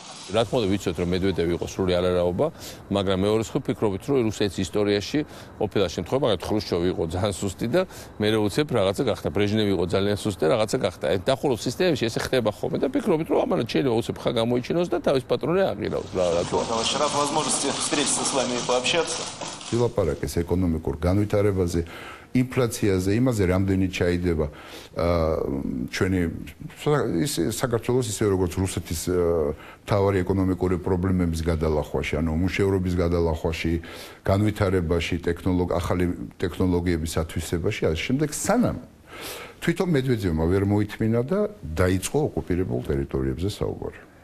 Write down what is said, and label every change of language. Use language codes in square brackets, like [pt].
[ka] Რა თქმა უნდა, ვიცით, რომ მედვედევი იყო სრული არარაობა, მაგრამ მეორე მხრივ ფიქრობთ, რომ რუსეთის ისტორიაში ყოფილა შემთხვევა, მაგრამ ხრუშჩოვი იყო ძალიან სუსტი და მერე უცებ რაღაცა გახდა. ბრეჟნევი იყო ძალიან სუსტი და რაღაცა გახდა. ეს დახურულ სისტემებში ესე ხდება ხოლმე და ფიქრობთ, რომ ამან შეიძლება უცებ ხა გამოიჩინოს და თავის პატრონზე აღიროს. [ru] Рад возможности встретиться с вами и пообщаться. [ka] Филапаракес экономикур განვითარებაზე, ინფლაციაზე, იმაზე რამდენი ჩაიდება ჩვენი ის საქართველოს ისე როგორც რუსეთის მთავარი ეკონომიკური პრობლემების გადალახვაში, ანუ მუშაობის გადალახვაში, განვითარებაში, ახალი ტექნოლოგიების ათვისებაში, ამ შემდეგ სანამ თვითონ მედვედევმა ვერ მოითმინა და დაიწყო ოკუპირებულ ტერიტორიებზე საუბარი.